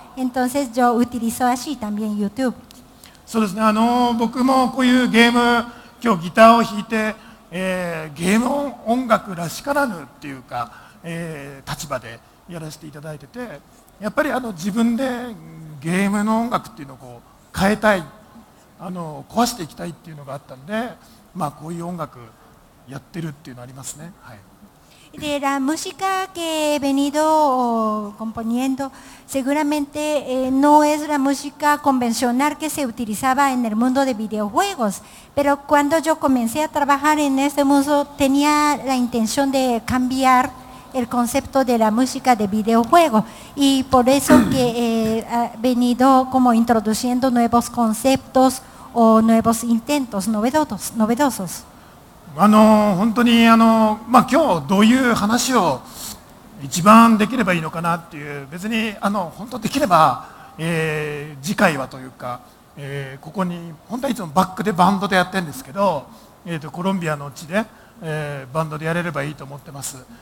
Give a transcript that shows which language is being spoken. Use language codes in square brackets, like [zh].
[es] Entonces yo utilizo así también YouTube. [ja] そうですね。僕もこういうゲーム、今日ギターを弾いて。ゲーム音楽らしからぬっていうか、立場でやらせていただいてて、やっぱり自分でゲームの音楽っていうのをこう変えたい、壊していきたいっていうのがあったんで、まあ、こういう音楽やってるっていうのありますね。はい。 [es] De la música que he venido componiendo, seguramente no es la música convencional que se utilizaba en el mundo de videojuegos. Pero cuando yo comencé a trabajar en este mundo, tenía la intención de cambiar el concepto de la música de videojuego. Y por eso que he venido como introduciendo nuevos conceptos o nuevos intentos novedosos. [ja] 本当に今日どういう話を一番できればいいのかなっていう、別に本当できれば、次回はというか、ここに本当はいつもバックでバンドでやってるんですけど、コロンビアの地で、バンドでやれればいいと思ってます。